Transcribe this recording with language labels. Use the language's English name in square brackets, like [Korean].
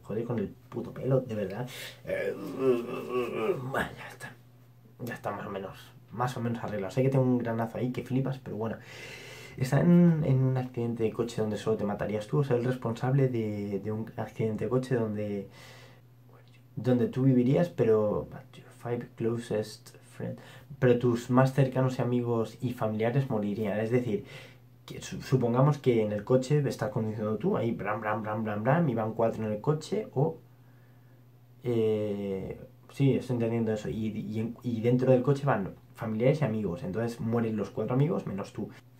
[Spanish] Joder, con el puto pelo, de verdad. Bueno, ya está. Ya está más o menos. Más o menos arreglado. Sé que tengo un granazo ahí que flipas, pero bueno. ¿Estás en un accidente de coche donde solo te matarías tú? ¿O ser el responsable de un accidente de coche donde tú vivirías, pero. [English] Your five closest friends. [Spanish] Pero tus más cercanos y amigos y familiares morirían. Es decir. Supongamos que en el coche estás conduciendo tú, ahí bram, bram, bram, bram, bram, y van cuatro en el coche, o. Sí, estoy entendiendo eso. Y dentro del coche van familiares y amigos, entonces mueren los cuatro amigos menos tú.